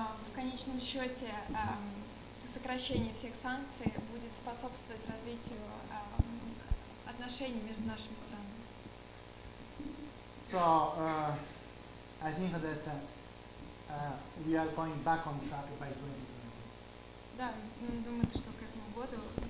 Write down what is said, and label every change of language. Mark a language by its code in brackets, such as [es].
[ru] В конечном счете сокращение всех санкций будет способствовать развитию отношений между нашими странами. [en] So I think that we are going back on track by 2020. [ru] Да, думаю, что к этому году